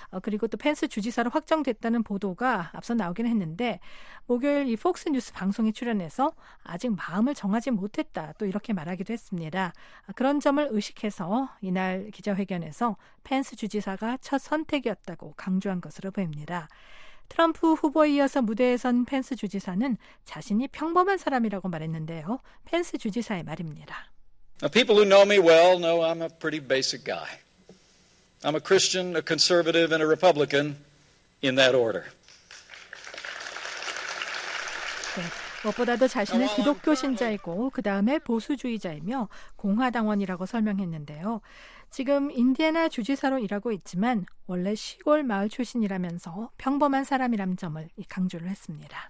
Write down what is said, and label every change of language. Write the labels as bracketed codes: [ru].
[ko] 그리고 또 펜스 주지사로 확정됐다는 보도가 앞서 나오긴 했는데 목요일 이 폭스 뉴스 방송에 출연해서 아직 마음을 정하지 못했다 또 이렇게 말하기도 했습니다. 그런 점을 의식해서 이날 기자회견에서 펜스 주지사가 첫 선택이었다고 강조한 것으로 보입니다. 트럼프 후보에 이어서 무대에 선 펜스 주지사는 자신이 평범한 사람이라고 말했는데요. 펜스 주지사의 말입니다. [en] People who know me well know I'm a pretty basic guy. I'm a Christian, a conservative, and a Republican in that order. [ko] 네, 무엇보다도 자신은 기독교 신자이고 그 다음에 보수주의자이며 공화당원이라고 설명했는데요. 지금 인디애나 주지사로 일하고 있지만 원래 시골 마을 출신이라면서 평범한 사람이라는 점을 강조를 했습니다.